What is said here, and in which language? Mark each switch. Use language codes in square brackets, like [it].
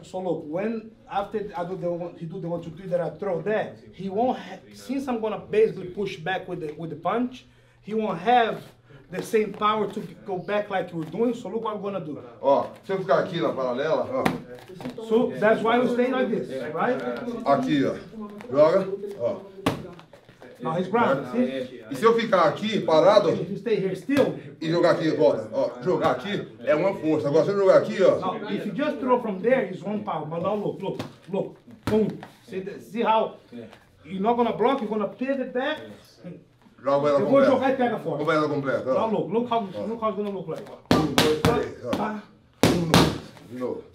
[en] So look, when after I do the one, two, three, that I throw there, he won't have, since I'm gonna basically push back with the punch, he won't have the same power to go back like you're doing, so look what I'm gonna do. [pt] Ó, se eu ficar aqui na paralela, ó. [en] So that's why you're staying like this, right? [pt] Aqui, ó, joga, ó. [en] Now he's grounded, see? [pt] E se eu ficar aqui, parado, [en] if you stay here still, [pt] e jogar aqui, volta, ó, jogar aqui é uma força. Agora, se eu jogar aqui, ó. [en] Now, if you just throw from there, it's one power. But now, look, boom. See how? You're not gonna block, you're gonna pivot back. [pt] Joga ela completa. Eu vou jogar e pega fora. Joga ela completa, ó. [en] Now, look how it's gonna look like. [pt] Um, dois, três, ó. Um, dois.